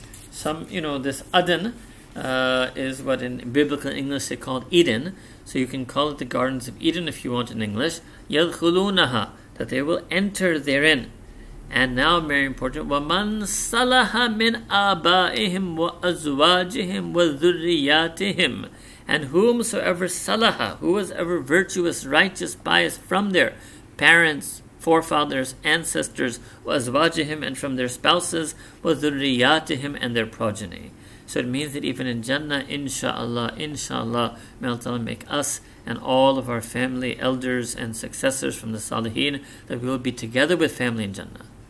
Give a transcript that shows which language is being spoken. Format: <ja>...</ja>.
<en>Some, this Aden is what in biblical English they called Eden. So you can call it the Gardens of Eden if you want in English.</en> <ar>يَدْخُلُونَهَا,</ar> <en>that they will enter therein. And now, very important,</en> <ar>وَمَنْ صَلَحَ مِنْ آبَائِهِمْ وَأَزْوَاجِهِمْ وَذُرِّيَاتِهِمْ.</ar> <en>And whomsoever salaha, who was ever virtuous, righteous, pious from their parents, forefathers, ancestors, wazwajihim, and from their spouses, wazurriyatihim, and their progeny. So it means that even in Jannah, inshallah, may Allah Ta'ala make us and all of our family, elders, and successors from the Salihin, that we will be together with family in Jannah.</en>